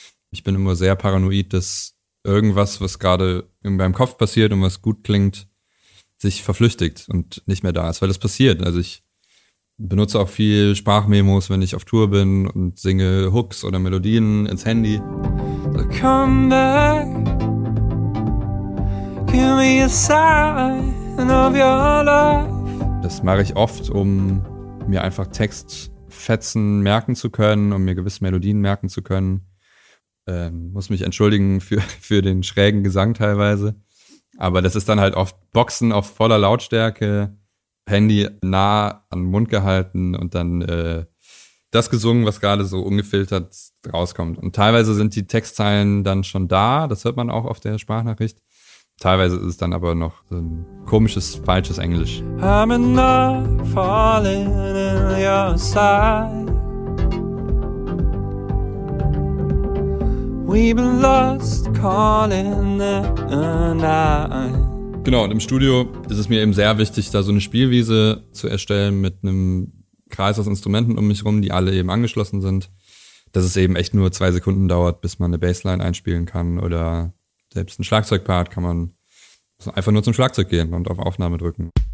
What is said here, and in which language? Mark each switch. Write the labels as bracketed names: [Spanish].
[German] Ich bin immer sehr paranoid, dass irgendwas, was gerade in meinem Kopf passiert und was gut klingt, sich verflüchtigt und nicht mehr da ist, weil das passiert. Also ich benutze auch viel Sprachmemos, wenn ich auf Tour bin und singe Hooks oder Melodien ins Handy. [English] So come back, give me a sign of your love. [German] Das mache ich oft, um mir einfach Textfetzen merken zu können, um mir gewisse Melodien merken zu können. Muss mich entschuldigen für den schrägen Gesang teilweise. Aber das ist dann halt oft Boxen auf voller Lautstärke, Handy nah an den Mund gehalten und dann das gesungen, was gerade so ungefiltert rauskommt. Und teilweise sind die Textzeilen dann schon da, das hört man auch auf der Sprachnachricht. Teilweise ist es dann aber noch so ein komisches, falsches Englisch. [English] I'm not falling in your side. We've been lost calling the night. [German] Genau, und im Studio ist es mir eben sehr wichtig, da so eine Spielwiese zu erstellen mit einem Kreis aus Instrumenten um mich rum, die alle eben angeschlossen sind. Dass es eben echt nur 2 Sekunden dauert, bis man eine Bassline einspielen kann oder selbst ein Schlagzeugpart kann man einfach nur zum Schlagzeug gehen und auf Aufnahme drücken.